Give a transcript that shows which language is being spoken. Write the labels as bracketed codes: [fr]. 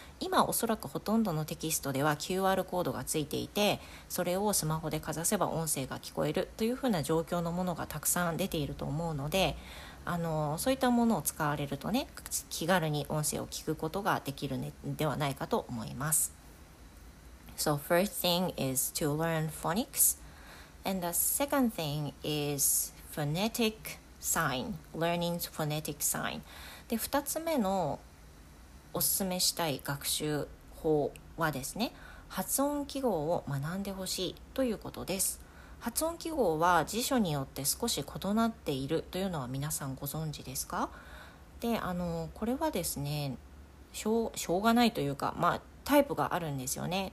[ja] 今おそらくほとんどのテキストでは QR コードがついていて、それをスマホでかざせば音声が聞こえるというふうな状況のものがたくさん出ていると思うので、そういったものを使われるとね、気軽に音声を聞くことができるのではないかと思います。 [en] So first thing is to learn phonics. And the second thing is phonetic sign, learning phonetic sign. [ja] で、2つ目のおすすめしたい学習法はですね、発音記号を学んでほしいということです。発音記号は辞書によって少し異なっているというのは皆さんご存知ですか？で、これはですね、しょうがないというか、まあタイプがあるんですよね。